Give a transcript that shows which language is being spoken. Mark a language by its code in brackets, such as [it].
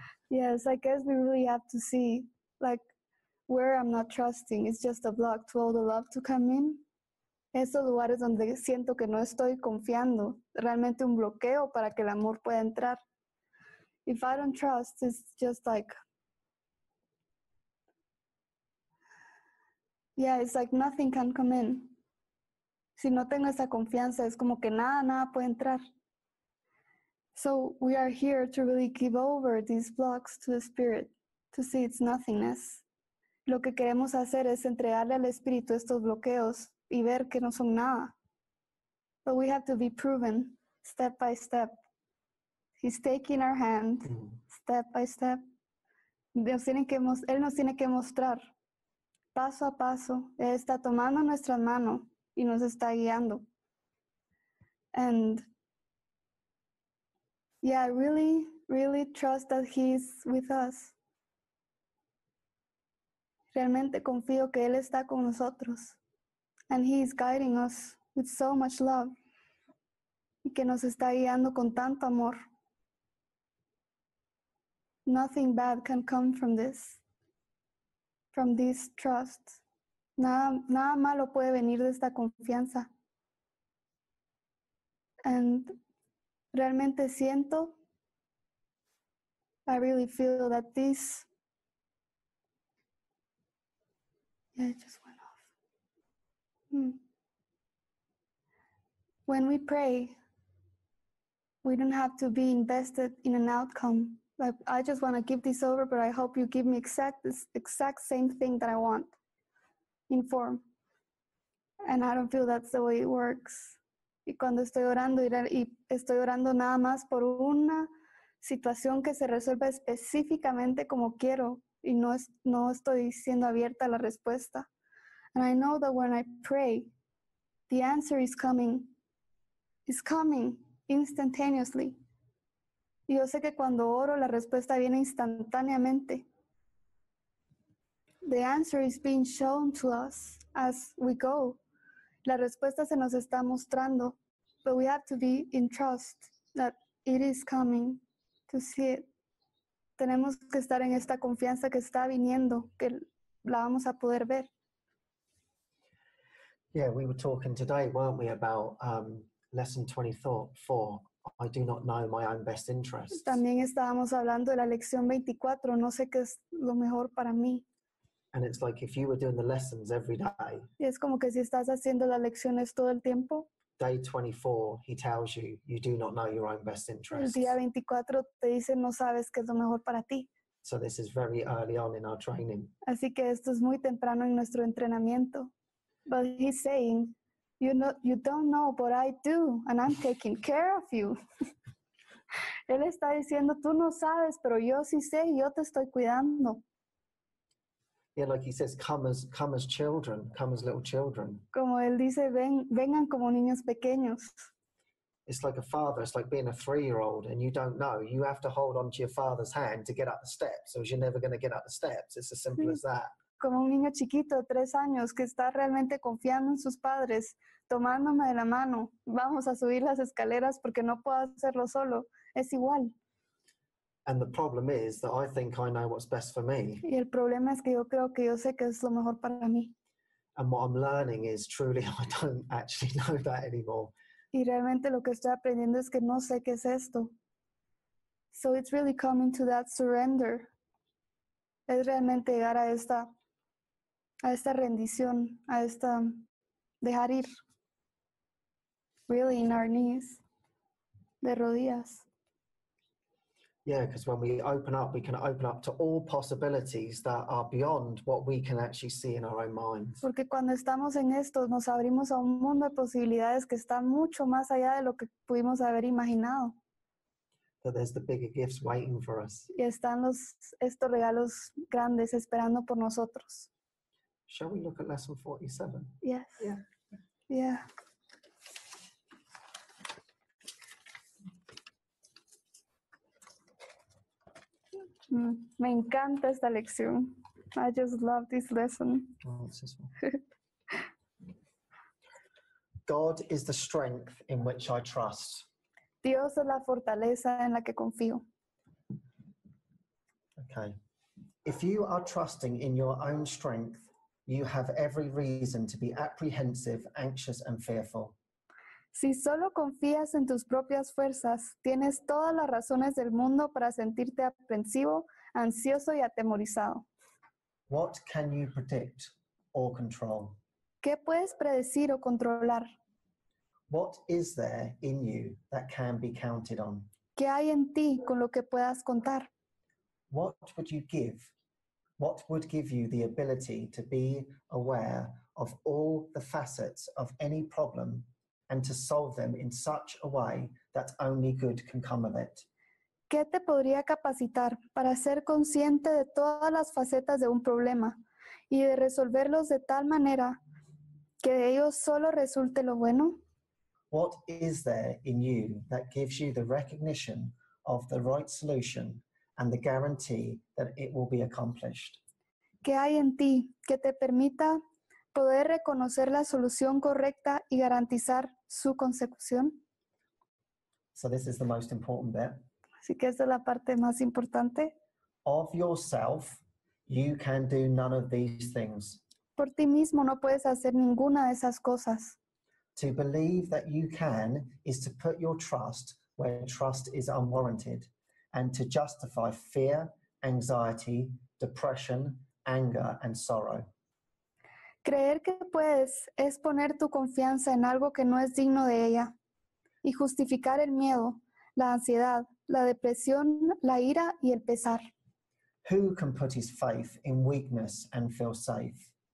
[en] Yes, I guess we really have to see, like, where I'm not trusting is just a block to all the love to come in. [es] Esos lugares donde siento que no estoy confiando, realmente un bloqueo para que el amor pueda entrar. [en] If I don't trust, it's just like, yeah, it's like nothing can come in. [es] Si no tengo esa confianza, es como que nada puede entrar. [en] So we are here to really give over these blocks to the spirit, to see its nothingness. [es] Lo que queremos hacer es entregarle al espíritu estos bloqueos y ver que no son nada. [en] But we have to be proven step by step. He's taking our hand step by step. [es] Él nos tiene que mostrar paso a paso. Él está tomando nuestra mano y nos está guiando. [en] And yeah, really, really trust that he's with us. [es] Realmente confío que Él está con nosotros. [en] And He is guiding us with so much love. [es] Y que nos está guiando con tanto amor. [en] Nothing bad can come from this. From this trust. [es] Nada malo puede venir de esta confianza. And realmente siento [en] I really feel that this, it just went off. When we pray, we don't have to be invested in an outcome. Like, I just want to give this over, but I hope you give me exact same thing that I want in form. And I don't feel that's the way it works. [es] Y cuando estoy orando nada más por una situación que se resuelva específicamente como quiero, y no estoy siendo abierta a la respuesta. [en] And I know that when I pray, the answer is coming. It's coming instantaneously. [es] Y yo sé que cuando oro, la respuesta viene instantáneamente. [en] The answer is being shown to us as we go. [es] La respuesta se nos está mostrando, [en] but we have to be in trust that it is coming to see it. [es] Tenemos que estar en esta confianza que está viniendo, que la vamos a poder ver. [en] Yeah, we were talking today, weren't we, about lesson 24, I do not know my own best interests. [es] También estábamos hablando de la lección 24, no sé qué es lo mejor para mí. [en] And it's like if you were doing the lessons every day. [es] Y es como que si estás haciendo las lecciones todo el tiempo. [en] Day 24, he tells you, you do not know your own best interests. [es] El día 24 te dice, no sabes qué es lo mejor para ti. [en] So this is very early on in our training. [es] Así que esto es muy temprano en nuestro entrenamiento. [en] But he's saying, you don't know, but I do, and I'm taking care of you. [es] Él está diciendo, tú no sabes, pero yo sí sé, yo te estoy cuidando. [en] Yeah, like he says, come as children, come as little children. [es] Como él dice, vengan como niños pequeños. [en] It's like a father, it's like being a three-year-old and you don't know. You have to hold on to your father's hand to get up the steps, or you're never going to get up the steps. It's as simple as that. [es] Como un niño chiquito de 3 años que está realmente confiando en sus padres, tomándome de la mano, vamos a subir las escaleras porque no puedo hacerlo solo. Es igual. [en] And the problem is that I think I know what's best for me. [es] Y el problema es que yo creo que yo sé que es lo mejor para mí. [en] And what I'm learning is truly I don't actually know that anymore. [es] Y realmente lo que estoy aprendiendo es que no sé qué es esto. [en] So it's really coming to that surrender. [es] Es realmente llegar a esta rendición, a esta dejar ir. [en] Really in our knees, [es] de rodillas. [en] Yeah, because when we open up, we can open up to all possibilities that are beyond what we can actually see in our own minds. [es] Porque cuando estamos en esto, nos abrimos a un mundo de posibilidades que está mucho más allá de lo que pudimos haber imaginado. [en] That there's the bigger gifts waiting for us. [es] Y están estos regalos grandes esperando por nosotros. [en] Shall we look at lesson 47? Yes. Yeah. Yeah. [es] Me encanta esta lección. [en] I just love this lesson. God is the strength in which I trust. [es] Dios es la fortaleza en la que confío. [en] Okay. If you are trusting in your own strength, you have every reason to be apprehensive, anxious, and fearful. [es] Si solo confías en tus propias fuerzas, tienes todas las razones del mundo para sentirte aprensivo, ansioso y atemorizado. [en] What can you predict or control? [es] ¿Qué puedes predecir o controlar? [en] What is there in you that can be counted on? [es] ¿Qué hay en ti con lo que puedas contar? [en] What would give you the ability to be aware of all the facets of any problem and to solve them in such a way that only good can come of it? [es] ¿Qué te podría capacitar para ser consciente de todas las facetas de un problema y de resolverlos de tal manera que de ellos solo resulte lo bueno? [en] What is there in you that gives you the recognition of the right solution and the guarantee that it will be accomplished? [es] ¿Qué hay en ti que te permita poder reconocer la solución correcta y garantizar su consecución? [en] So this is the most important bit. [es] Así que esta es la parte más importante. [en] Of yourself, you can do none of these things. [es] Por ti mismo no puedes hacer ninguna de esas cosas. [en] To believe that you can is to put your trust where trust is unwarranted. and to justify fear, anxiety, depression, anger, and sorrow. [es] Creer que puedes es poner tu confianza en algo que no es digno de ella y justificar el miedo, la ansiedad, la depresión, la ira y el pesar. [en] Who can put his faith in weakness and feel safe?